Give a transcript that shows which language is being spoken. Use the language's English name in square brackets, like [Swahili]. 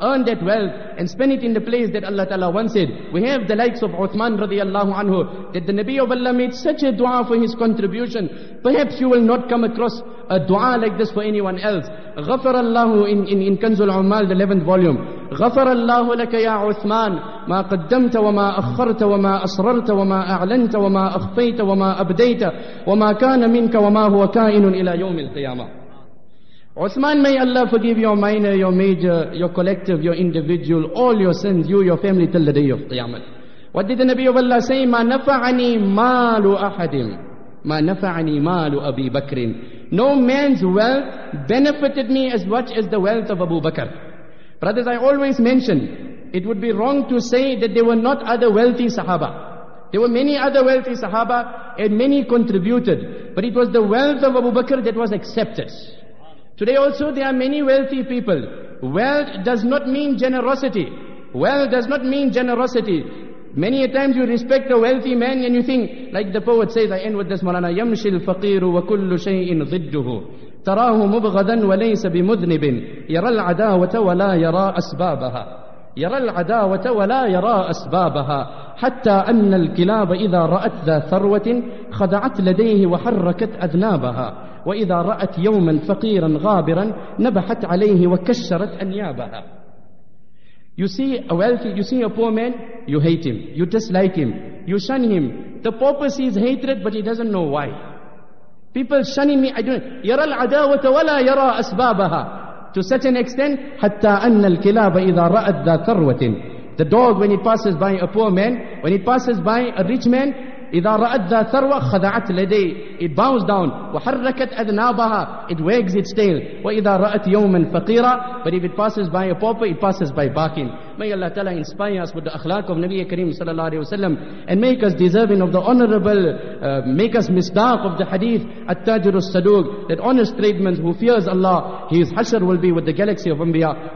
[English] Earn that wealth and spend it in the place that Allah Ta'ala once said. We have the likes of Uthman radiallahu anhu, that the Nabi of Allah made such a dua for his contribution. Perhaps you will not come across a dua like this for anyone else. [Arabic] غفر الله [English] in Kanzul Umal, the 11th volume. [Arabic] غفر الله لك يا عثمان ما قدمت وما أخرت وما أصررت وما أعلنت وما أخفيت وما أبديت وما كان منك وما هو كائن إلى يوم القيامة. [English] Uthman, may Allah forgive your minor, your major, your collective, your individual, all your sins, you, your family, till the day of Qiyamah. What did the Nabi of Allah say? [Arabic] ما نفعني مال أحد ما نفعني مال أبي بكر. [English] No man's wealth benefited me as much as the wealth of Abu Bakr. Brothers, I always mention, it would be wrong to say that there were not other wealthy Sahaba. There were many other wealthy Sahaba and many contributed. But it was the wealth of Abu Bakr that was accepted. Today also there are many wealthy people. Wealth does not mean generosity. Wealth does not mean generosity. Many a times you respect a wealthy man and you think, like the poet says, I end with this, Mawlana, [Arabic] يَمْشِي الْفَقِيرُ وَكُلُّ شَيْءٍ ضِدُّهُ تَرَاهُ مُبْغَدًا وَلَيْسَ بِمُذْنِبٍ يَرَى الْعَدَاوَةَ وَلَا يَرَى أَسْبَابَهَا. يرى العداوة ولا يرى أسبابها حتى أن الكلاب إذا رأت ذا ثروة خضعت لديه وحركت أذنابها وإذا رأت يوما فقيرا غابرا نبحت عليه وكشرت أنيابها. [English] You see a wealthy, you see a poor man, you hate him, you dislike him, you shun him. The pauper sees hatred but he doesn't know why. People shunning me, I don't know. [Arabic] يرى العداوة ولا يرى أسبابها. [English] To such an extent, [Arabic] حتى أن الكلاب إذا رأت ذا ثروة. [English] The dog, when it passes by a poor man, when it passes by a rich man, [Arabic] إذا رأت ذا ثروة خذعت لدي. [English] It bows down. [Arabic] وحركت أذنابها. [English] It wags its tail. [Arabic] وإذا رأت يوما فقيرا. [English] But if it passes by a pauper, it passes by barking. May Allah Ta'ala inspire us with the akhlaq of Nabi Kareem sallallahu alayhi wa sallam and make us deserving of the honorable, make us misdaq of the hadith At-Tajir al-Saduq, that honest tradesman who fears Allah, his hashar will be with the galaxy of Anbiya.